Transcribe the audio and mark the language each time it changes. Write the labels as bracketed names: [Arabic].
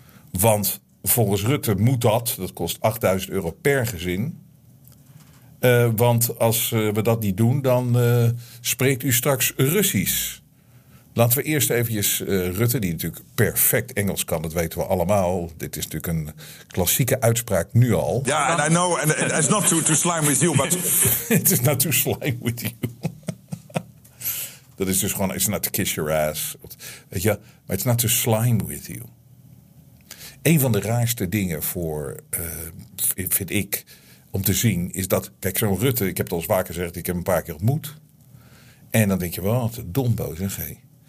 [Dutch] Want volgens Rutte moet dat. Dat kost 8000 euro per gezin. Want als we dat niet doen, dan spreekt u straks Russisch. Laten we eerst eventjes Rutte, die natuurlijk perfect Engels kan, dat weten we allemaal. Dit is natuurlijk een klassieke uitspraak nu al. [English] Ja, yeah, and I know, and it's not to slime with you, but it is not to slime with you. [Dutch] Dat is dus gewoon, [English] it's not to kiss your ass. [Dutch] Weet je, maar [English] it's not to slime with you. [Dutch] Een van de raarste dingen voor, vind ik, om te zien, is dat, kijk, zo'n Rutte, ik heb het al vaker gezegd, ik heb hem een paar keer ontmoet. En dan denk je, wat een dombo, zeg hé.